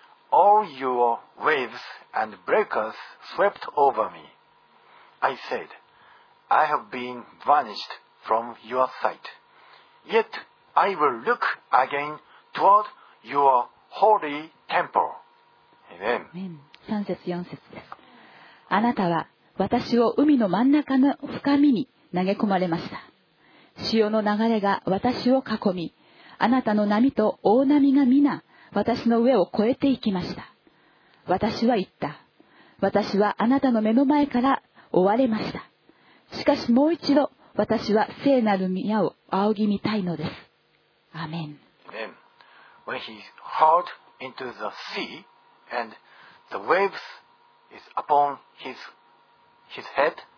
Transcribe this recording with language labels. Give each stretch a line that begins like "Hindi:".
English: All your waves and breakers swept over me. I said, I have been vanished from your sight. Yet I will look again toward your holy temple.
Japanese: 3節4節です。あなたは私を海の真ん中の深みに投げ込まれました。潮の流れが私を囲み、あなたの波と大波が皆私の上を越えていきました。私は言った、私はあなたの目の前から追われました。しかしもう一度私は聖なる宮を仰ぎ見たいのです。アメン。
English: When he hauled into the seaAnd the waves is upon his head.